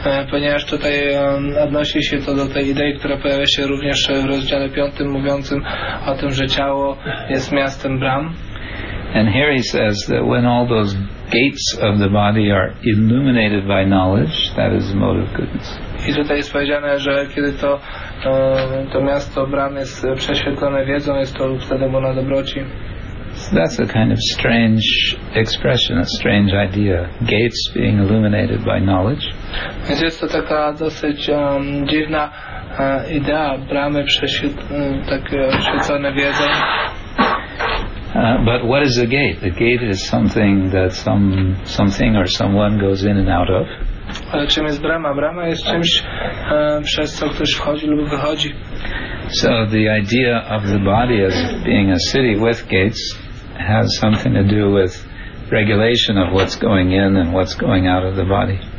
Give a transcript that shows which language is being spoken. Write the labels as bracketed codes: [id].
[pl] Ponieważ tutaj odnosi się to do tej idei, która pojawia się również w rozdziale 5, mówiącym o tym, że ciało jest miastem bram. [en] And here he says that when all those gates of the body are illuminated by knowledge, that is the mode of goodness. [pl] I tutaj jest powiedziane, że kiedy to miasto bram jest prześwietlone wiedzą, jest to wtedy mona dobroci. [en] So that's a kind of strange expression, a strange idea. Gates being illuminated by knowledge. [pl] Więc jest to taka dosyć dziwna idea, bramy oświecone wiedzą. [en] But what is a gate? A gate is something that something or someone goes in and out of. [pl] czym jest brama? Brama jest czymś, przez co ktoś wchodzi lub wychodzi. [en] So the idea of the body as being a city with gates has something to do with regulation of what's going in and what's going out of the body.